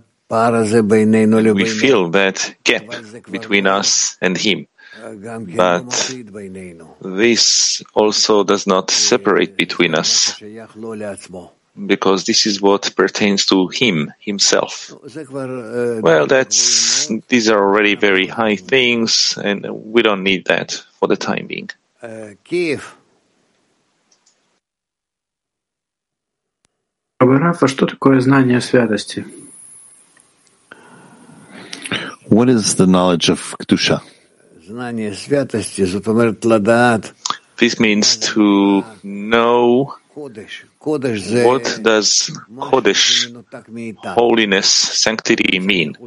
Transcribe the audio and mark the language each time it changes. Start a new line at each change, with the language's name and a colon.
English: We feel that gap between us and him, but this also does not separate between us, because this is what pertains to him, himself. Well, these are already very high things, and we don't need that for the time being. Kiev.
Russian: Рав, а что такое знание святости?
English: What is the knowledge of Kedusha?
Russian: Знание святости,
Hebrew: зотомер тладаат.
English: This means to know what does Kodesh, holiness, sanctity mean.